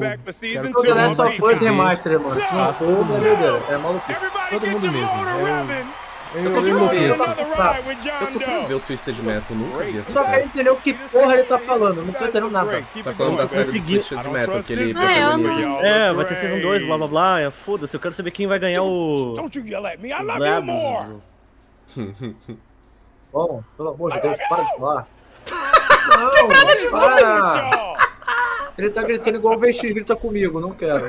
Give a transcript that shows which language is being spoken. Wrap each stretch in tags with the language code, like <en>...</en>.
<pt>quero que The Last of Us remaster, mano. Se não for, meu Deus, é maluquice. Todo mundo mesmo. Eu tô querendo ver o Twisted Metal, nunca vi essa série. Só quero entender o que porra ele tá falando, não tô entendendo nada. Tá falando da série do Twisted Metal, que ele protagoniza. É, vai ter Season 2, blá blá blá, foda-se, eu quero saber quem vai ganhar o...</pt> <en>Don't you yell at me, I love you more!</en> <pt>Bom, pelo amor de Deus, para de falar. Não, para! De para. Ele tá gritando igual o Vestir, grita comigo, não quero.</pt>